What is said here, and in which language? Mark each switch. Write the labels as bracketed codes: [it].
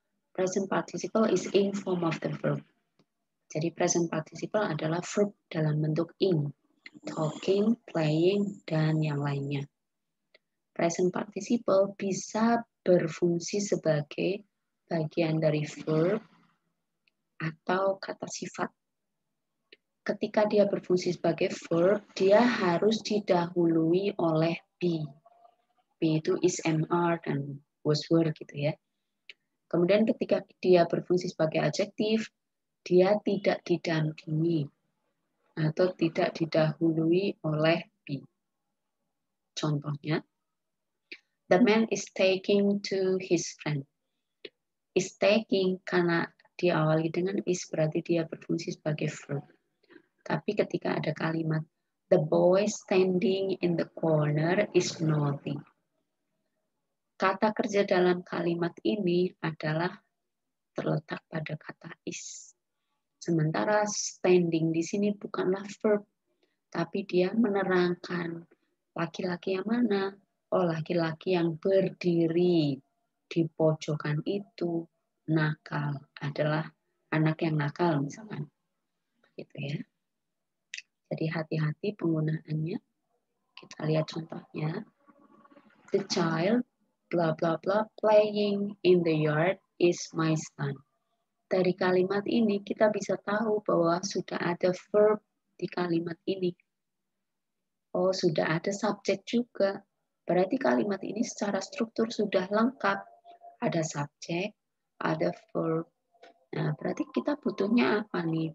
[en] Present participle is in form of the verb. [id] Jadi present participle adalah verb dalam bentuk ing, talking, playing, dan yang lainnya. Present participle bisa berfungsi sebagai bagian dari verb atau kata sifat. Ketika dia berfungsi sebagai verb, dia harus didahului oleh be. Be itu is, am, are, dan was, were gitu ya. Kemudian ketika dia berfungsi sebagai adjektif, dia tidak didampingi atau tidak didahului oleh be. Contohnya, [en] the man is taking to his friend. [id] Is taking karena diawali dengan is berarti dia berfungsi sebagai verb. Tapi ketika ada kalimat, [en] the boy standing in the corner is naughty. [id] Kata kerja dalam kalimat ini adalah terletak pada kata is. Sementara standing di sini bukanlah verb, tapi dia menerangkan laki-laki yang mana? Oh, laki-laki yang berdiri di pojokan itu nakal, adalah anak yang nakal misalkan. Gitu ya. Jadi hati-hati penggunaannya. Kita lihat contohnya. [en] The child blah blah blah playing in the yard is my son. [id] Dari kalimat ini kita bisa tahu bahwa sudah ada verb di kalimat ini. Oh, sudah ada subjek juga. Berarti kalimat ini secara struktur sudah lengkap. Ada subjek, ada verb. Nah, berarti kita butuhnya apa nih?